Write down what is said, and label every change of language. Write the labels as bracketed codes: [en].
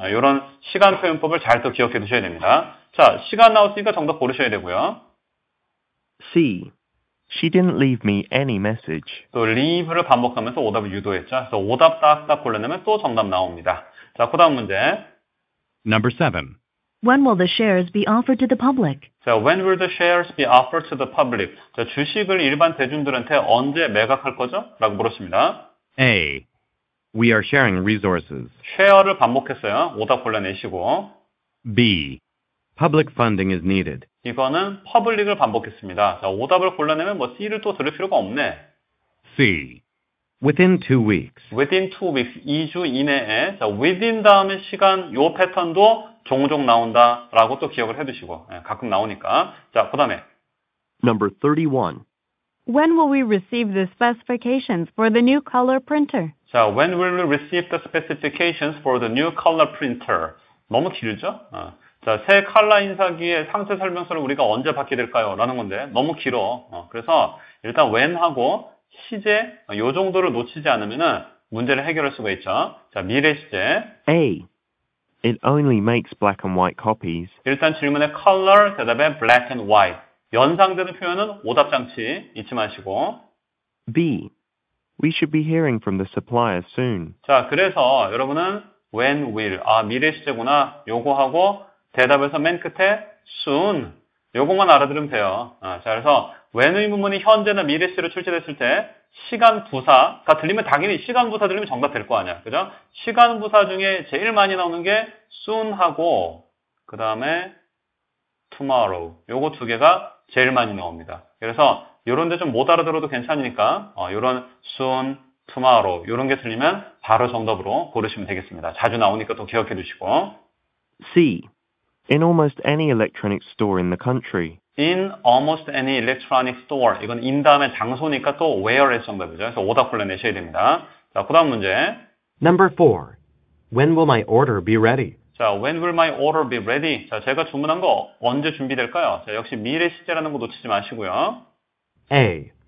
[ko] 이런 시간 표현법을 잘 또 기억해 두셔야 됩니다. 자, 시간 나왔으니까 정답 고르셔야 되고요. [en] C. She didn't leave me any message. [ko] 또 leave를 반복하면서 오답을 유도했죠. 그래서 오답 딱딱 골라내면 또 정답 나옵니다. 자, 그 다음 문제. [en] Number 7. When will the shares be offered to the public? 자, when will the shares be offered to the public? [ko] 자, 주식을 일반 대중들한테 언제 매각할 거죠? 라고 물었습니다. [en] A. We are sharing resources. [ko] share를 반복했어요. 오답 골라내시고. [en] B. Public funding is needed. [ko] 이거는 public을 반복했습니다. 자, 오답을 골라내면 뭐 C를 또 들을 필요가 없네. [en] C. Within 2 weeks. Within 2 weeks. [ko] 2주 이내에. 자, within 다음에 시간 요 패턴도 종종 나온다라고 또 기억을 해두시고. 예, 가끔 나오니까. 자, 그 다음에. [en] Number 31. When will we receive the specifications for the new color printer? 자, when will we receive the specifications for the new color printer? [ko] 너무 길죠? 자, 새 칼라 인사기의 상세 설명서를 우리가 언제 받게 될까요? 라는 건데 너무 길어. 그래서 일단 when 하고 시제, 요 정도를 놓치지 않으면은 문제를 해결할 수가 있죠. 자, 미래 시제. [en] A. It only makes black and white copies. [ko] 일단 질문에 color, 대답에 black and white. 연상되는 표현은 오답장치 잊지 마시고. [en] B. We should be hearing from the supplier soon. [ko] 자, 그래서 여러분은 when will, 아, 미래 시제구나. 요거하고 대답에서 맨 끝에 soon. 요것만 알아들으면 돼요. 아, 자, 그래서 when 의문문이 현재나 미래 시제로 출제됐을 때 시간 부사가 들리면 당연히 시간 부사 들리면 정답 될 거 아니야. 그죠? 시간 부사 중에 제일 많이 나오는 게 soon하고 그 다음에 tomorrow. 요거 두 개가 제일 많이 나옵니다. 그래서 요런 데 좀 못 알아들어도 괜찮으니까 요런 soon, tomorrow 요런 게 들리면 바로 정답으로 고르시면 되겠습니다. 자주 나오니까 또 기억해 두시고. [en] C. In almost any electronic store in the country. In almost any electronic store. [ko] 이건 in 다음에 장소니까 또 where의 정답이죠. 그래서 오답 골라내셔야 됩니다. 자, 그 다음 문제. [en] Number 4. When will my order be ready? 자, when will my order be ready? [ko] 자, 제가 주문한 거 언제 준비될까요? 자, 역시 미래 시제라는 거 놓치지 마시고요. [en] A.